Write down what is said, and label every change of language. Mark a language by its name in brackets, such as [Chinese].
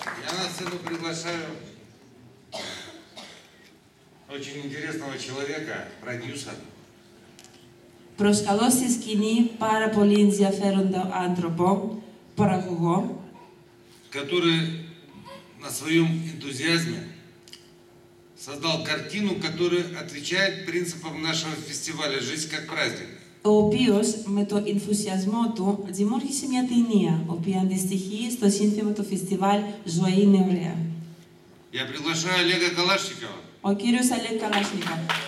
[Russian] Я на сцену приглашаю очень интересного человека, продюсера. [Greek] Προσκαλώ στη σκηνή πάρα πολύ ενδιαφέροντα άνθρωπο, παραγωγό, [Russian] который на своем энтузиазме создал картину, которая отвечает принципам нашего фестиваля «Жизнь как праздник». [Greek] Ο οποίος με το ενθουσιασμό του δημιούργησε μια ταινία, η οποία αντιστοιχεί στο σύνθημα του φεστιβάλ «Ζωή είναι ωραία». [Russian] Я приглашаю Олега Калашникова. [Greek] Ο κύριος Олег Калашников.